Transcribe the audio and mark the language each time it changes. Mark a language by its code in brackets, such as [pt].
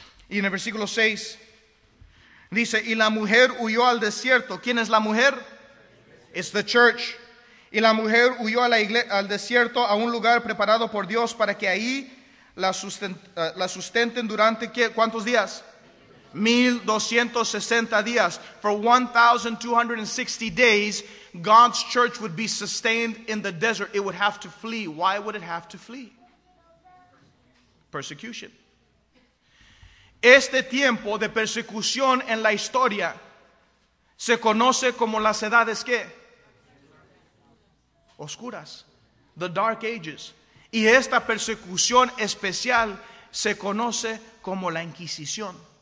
[es] Y en el versículo 6. Dice, y la mujer huyó al desierto. ¿Quién es la mujer? [en] It's the church. [es] Y la mujer huyó al desierto, a un lugar preparado por Dios para que ahí la sustenten durante, ¿qué? ¿Cuántos días? 1260 días. [en] For 1260 days, God's church would be sustained in the desert. It would have to flee. Why would it have to flee? Persecution. [es] Este tiempo de persecución en la historia se conoce como las edades, ¿qué? Oscuras, [en] the dark ages. [es] Y esta persecución especial se conoce como la Inquisición.